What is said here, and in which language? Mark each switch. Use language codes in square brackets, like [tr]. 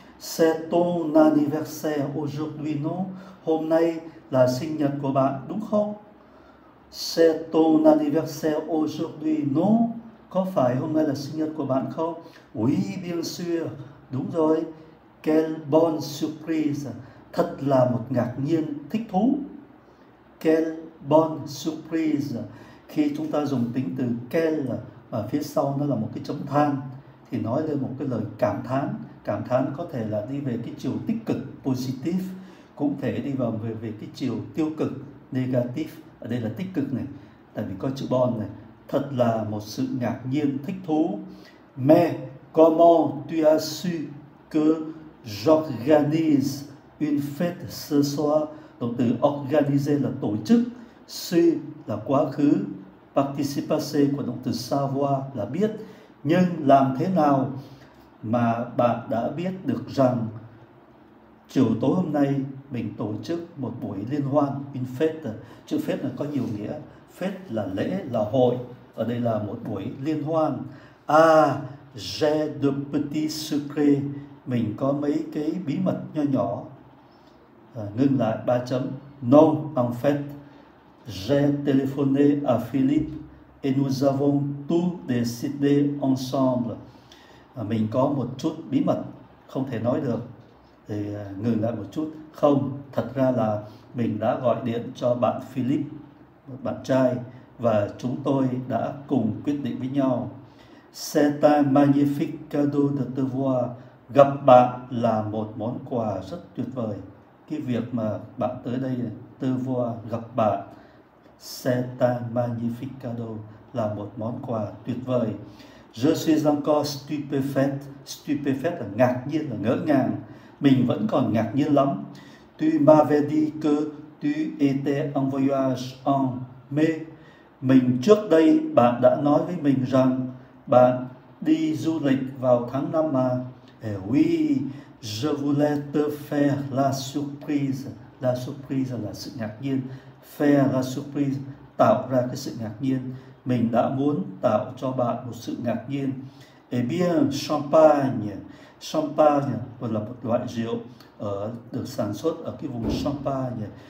[fr] C'est ton anniversaire aujourd'hui, non? [vi] Hôm nay là sinh nhật của bạn, đúng không? [fr] C'est ton anniversaire aujourd'hui, non? [vi] Có phải hôm nay là sinh nhật của bạn không? [fr] Oui, bien sûr. [vi] Đúng rồi. [fr] Quelle bonne surprise. [vi] Thật là một ngạc nhiên, thích thú. [fr] Quelle bonne surprise. [vi] Khi chúng ta dùng tính từ quelle mà phía sau nó là một cái chấm than thì nói lên một cái lời cảm thán. Cảm thán có thể là đi về cái chiều tích cực, positive, cũng thể đi vào về cái chiều tiêu cực, negative. Ở đây là tích cực này, tại vì có chữ bon này. Thật là một sự ngạc nhiên, thích thú. [fr] Mais comment tu as su que j'organise une fête ce soir? [vi] Động từ organiser là tổ chức, su là quá khứ, participe của động từ savoir là biết. Nhưng làm thế nào mà bạn đã biết được rằng chiều tối hôm nay mình tổ chức một buổi liên hoan, [fr] une fête? [vi] Chữ fête là có nhiều nghĩa. Fête là lễ, là hội. Ở đây là một buổi liên hoan. [fr] À, j'ai de petits secrets. [vi] Mình có mấy cái bí mật nhỏ nhỏ. Ngưng lại, ba chấm. [fr] Non, en fait, j'ai téléphoné à Philippe et nous avons tout décidé ensemble. [vi] Mình có một chút bí mật, không thể nói được. Thì ngừng lại một chút. Không, thật ra là mình đã gọi điện cho bạn Philippe, một bạn trai, và chúng tôi đã cùng quyết định với nhau. [fr] C'est un magnifique cadeau de te voir. [vi] Gặp bạn là một món quà rất tuyệt vời. Cái việc mà bạn tới đây này, [fr] te voir, [vi] gặp bạn, [fr] c'est un magnifique cadeau, [vi] là một món quà tuyệt vời. [fr] Je suis encore stupéfait. [vi] Stupéfait là ngạc nhiên, là ngỡ ngàng. Mình vẫn còn ngạc nhiên lắm. [fr] Tu m'avais dit que tu étais en voyage en mai. [vi] Mình trước đây bạn đã nói với mình rằng bạn đi du lịch vào tháng 5 mà. [fr] Eh oui, je voulais te faire la surprise. La surprise [vi] là sự ngạc nhiên. [fr] Faire la surprise, [vi] tạo ra cái sự ngạc nhiên. Mình đã muốn tạo cho bạn một sự ngạc nhiên. [fr] Eh bien, champagne. [vi] Champagne là một loại rượu được sản xuất ở cái vùng Champagne.